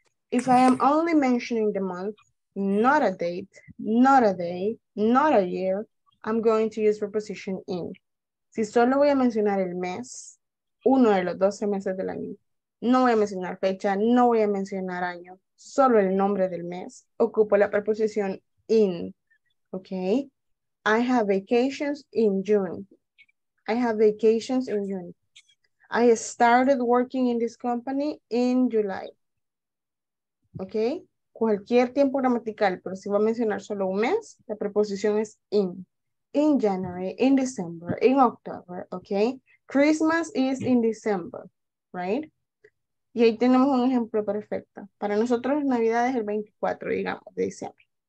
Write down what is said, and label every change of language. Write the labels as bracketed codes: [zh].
[en] If I am only mentioning the month, not a date, not a day, not a year, I'm going to use preposition in. [es] Si solo voy a mencionar el mes, uno de los 12 meses del año, no voy a mencionar fecha, no voy a mencionar año, solo el nombre del mes, ocupo la preposición in. [en] Okay? I have vacations in June. I have vacations in June. I started working in this company in July. Okay? [es] Cualquier tiempo gramatical, pero si voy a mencionar solo un mes, la preposición es in. [en] In January, in December, in October, okay? Christmas is in December, right? [es] Y ahí tenemos un ejemplo perfecto. Para nosotros, Navidad es el 24, digamos, de diciembre.